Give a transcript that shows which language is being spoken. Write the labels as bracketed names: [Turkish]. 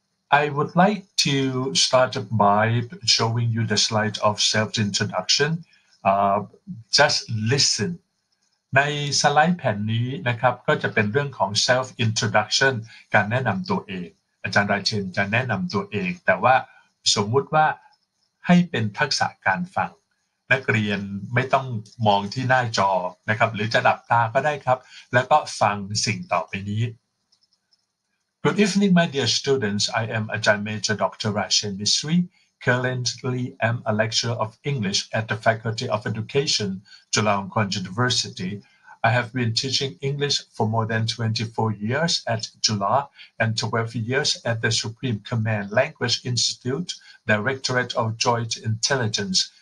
[English] I would like to start by showing you the slide of self-introduction. Just listen. [Thai] ในสไลด์แผ่นนี้นะครับก็จะเป็นเรื่องของ self-introduction การแนะนำตัวเองอาจารย์ราเชนจะแนะนำตัวเองแต่ว่าสมมุติว่าให้เป็นทักษะการฟังนักเรียนไม่ต้องมองที่หน้าจอนะครับหรือจะหลับตาก็ได้ครับแล้วก็ฟังสิ่งต่อไปนี้ [English] Good evening, my dear students. I am Ajahn Major Dr. Rajen Misri. Currently, I'm a lecturer of English at the Faculty of Education, Chulalongkorn University. I have been teaching English for more than 24 years at Chula and 12 years at the Supreme Command Language Institute, Directorate of Joint Intelligence.